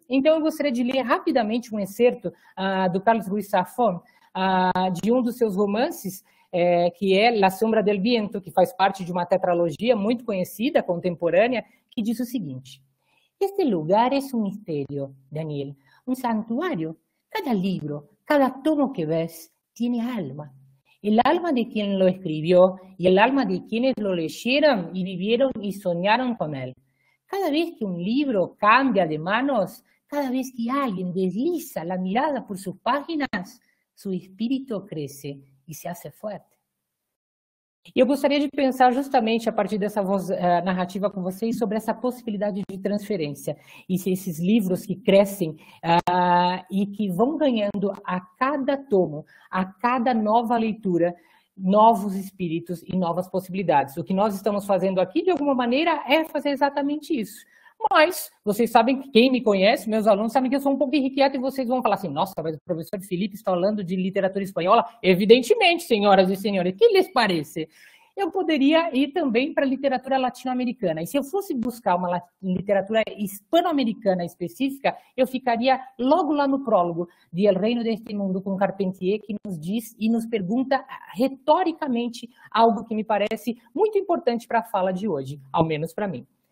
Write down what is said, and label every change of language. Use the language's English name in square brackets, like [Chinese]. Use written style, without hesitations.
[Portuguese] Então, eu gostaria de ler rapidamente um excerto do Carlos Ruiz Zafón, de um dos seus romances, que é La Sombra del Viento, que faz parte de uma tetralogia muito conhecida, contemporânea, que diz o seguinte: este lugar é um mistério, Daniel, um santuário. Cada livro, cada tomo que vês, tem alma. [Spanish] El alma de quien lo escribió y el alma de quienes lo leyeron y vivieron y soñaron con él. Cada vez que un libro cambia de manos, cada vez que alguien desliza la mirada por sus páginas, su espíritu crece y se hace fuerte. Y yo gustaría de pensar justamente a partir de esa voz narrativa con ustedes sobre esa posibilidad de transferencia y si esos libros que crecen y que van ganando a cada tomo, a cada nueva lectura, [Portuguese] novos espíritus [Spanish] y nuevas posibilidades. Lo que nosotros estamos haciendo aquí, de alguna manera, es hacer exactamente eso. [Portuguese] Mas vocês sabem que quem me conhece, meus alunos, sabem que eu sou um pouco inquieto e vocês vão falar assim: nossa, mas o professor Felipe está falando de literatura espanhola? Evidentemente, senhoras e senhores, que lhes parece? Eu poderia ir também para a literatura latino-americana. E se eu fosse buscar uma literatura hispano-americana específica, eu ficaria logo lá no prólogo de El Reino deste Mundo, com Carpentier, que nos diz e nos pergunta retoricamente algo que me parece muito importante para a fala de hoje, ao menos para mim.